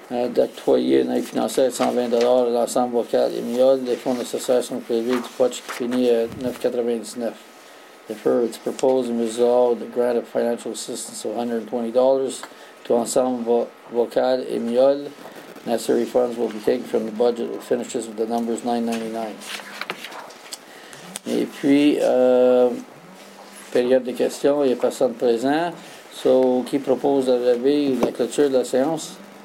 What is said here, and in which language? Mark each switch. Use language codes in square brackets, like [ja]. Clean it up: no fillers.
[fr] D'octroyer une aide financière de 120 $ à l'ensemble vocal Emiol. Les fonds nécessaires sont prélevés du poche qui finit à 9,99. [en] Defer its proposed and resolved the grant of financial assistance of $120 to ensemble vocal Emiol. Necessary funds will be taken from the budget that finishes with the numbers 999. [fr] Et puis, période de questions, il n'y a personne présent. So, qui propose de lever la clôture de la séance?